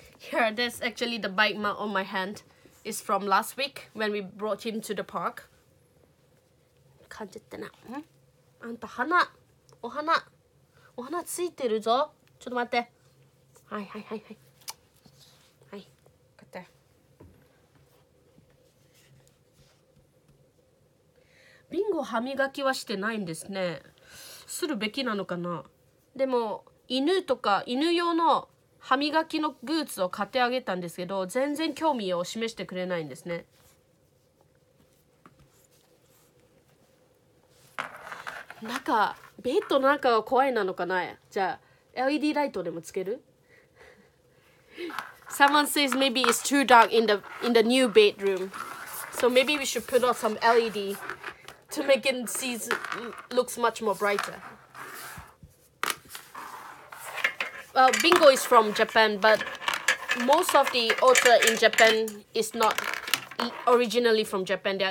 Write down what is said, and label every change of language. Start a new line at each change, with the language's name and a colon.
English: Here, this actually the bite mark on my hand is from last week when we brought him to the park.
Japanese: 感じてな。ん？あんた鼻、お鼻、お鼻ついてるぞ。ちょっと待って。はいはいはいはい。はい。こうやって。ビンゴ歯磨きはしてないんですね。するべきなのかな。でも犬とか犬用の歯磨きのグッズを買ってあげたんですけど、全然興味を示してくれないんですね。なんかベッドの中は怖いなのかな。じゃあ LED ライトでもつける。
English: Someone says maybe it's too dark in the new bedroom. So maybe we should put on some LED to make it sees looks much more brighter. Bingo is from Japan, but most of the otter in Japan is not originally from Japan.